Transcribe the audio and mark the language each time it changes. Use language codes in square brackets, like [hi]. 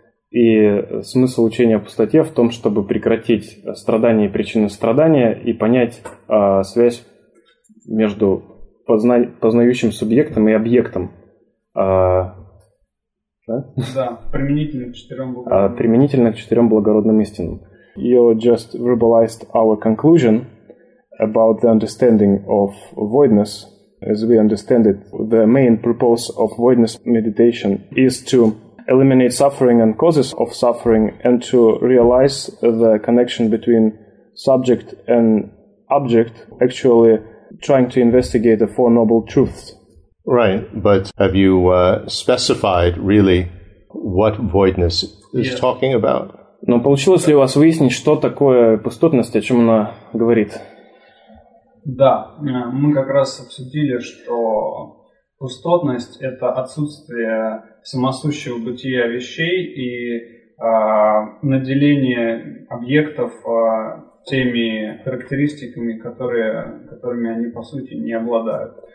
[ru] И смысл учения о пустоте в том, чтобы прекратить страдания и причины страдания и понять связь между познающим субъектом и объектом. Да, применительно к четырем благородным истинам. [en] You just verbalized our conclusion about the understanding of voidness. As we understand it, the main purpose of voidness meditation is to eliminate suffering and causes of suffering and to realize the connection between subject and object, actually trying to investigate the Four Noble Truths. Right, but have you specified really what voidness is talking about? [ru] Но получилось ли у вас выяснить, что такое пустотность, о чем она говорит? Да, мы как раз обсудили, что пустотность – это отсутствие самосущего бытия вещей и наделение объектов теми характеристиками, которыми они, по сути, не обладают.